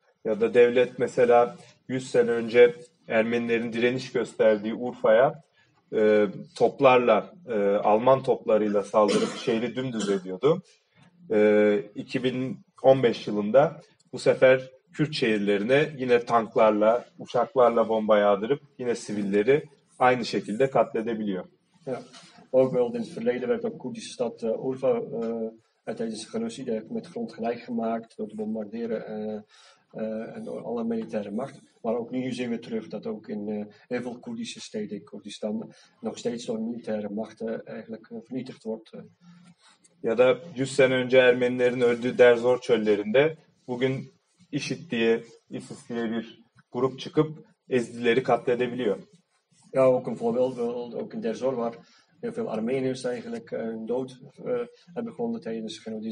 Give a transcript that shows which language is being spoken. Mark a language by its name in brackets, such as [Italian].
[Turkish] Ya da devlet mesela 100 sene önce Ermenilerin direniş gösterdiği Urfa'ya toplarla, Alman toplarıyla saldırıp şehri dümdüz ediyordu. 2015 yılında bu sefer Kürt şehirlerine yine tanklarla, uçaklarla bomba yağdırıp yine sivilleri aynı şekilde katledebiliyor. [Dutch] Ja, ook wel in het verleden werd ook Koerdische stad Urfa tijdens de genocide met grond gelijk gemaakt door te bombarderen en door alle militaire macht. Maar ook nu zien we terug dat ook in heel veel Koerdische steden in Kurdistan nog steeds door militaire machten eigenlijk vernietigd wordt. [Turkish] Ya da 100 sene önce Ermenilerin öldüğü Derzor çöllerinde bugün IŞİD diye, ISIS diye bir grup çıkıp ezdileri katledebiliyor. [Dutch] Ja, ook een voorbeeld, ook in Derzor waar heel veel Armeniërs eigenlijk hun dood hebben gevonden tijdens de genocide.